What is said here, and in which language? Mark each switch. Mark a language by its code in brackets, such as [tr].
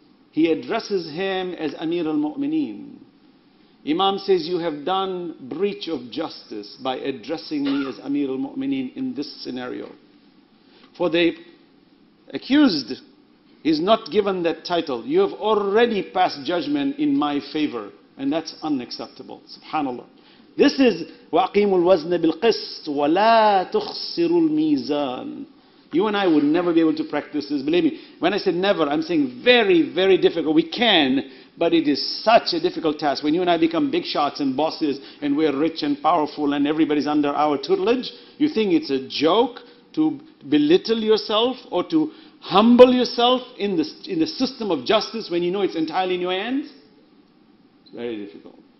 [en] He addresses him as Amir al-Mu'mineen. Imam says, you have done breach of justice by addressing me as Amir al-Mu'mineen in this scenario. For the accused is not given that title. You have already passed judgment in my favor. And that's unacceptable. SubhanAllah. This is [ar] وَأَقِيمُ الْوَزْنَ بِالْقِسْطِ وَلَا تُخْسِرُ الْمِيزَانِ. [en] You and I would never be able to practice this. Believe me, when I say never, I'm saying very, very difficult. We can, but it is such a difficult task. When you and I become big shots and bosses and we're rich and powerful and everybody's under our tutelage, you think it's a joke to belittle yourself or to humble yourself in the system of justice when you know it's entirely in your hands? It's very difficult.